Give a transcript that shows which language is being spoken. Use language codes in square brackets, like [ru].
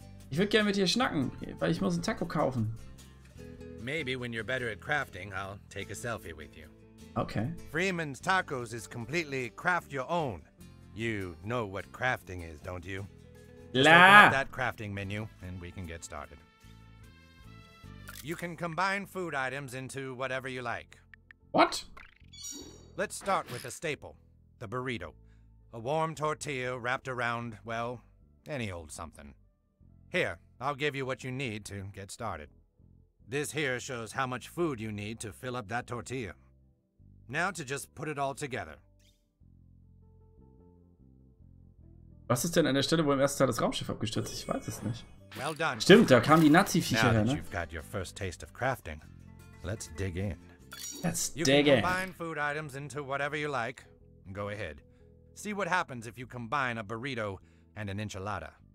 [de] Ich würde gerne mit dir schnacken, weil ich muss ein Taco kaufen. [en] Maybe when you're better at crafting, I'll take a selfie with you. Okay. Freeman's Tacos is completely craft your own. You know what crafting is, don't you? La! Just open up that crafting menu and we can get started. You can combine food items into whatever you like. What? Let's start with a staple, the burrito. A warm tortilla wrapped around, well, any old something. Here, I'll give you what you need to get started. This here shows how much food you need to fill up that tortilla. Now to just put it all together. [de] Was ist denn an der Stelle, wo im ersten Teil das Raumschiff abgestürzt ist? Ich weiß es nicht. [en] Well done. [de] Stimmt, da kamen die Nazi-Viecher her, ne? [en] Now that you've got your first taste of crafting, let's dig in. Let's you dig in. You can combine food items into whatever you like. Go ahead. See what happens if you combine a burrito and an enchilada.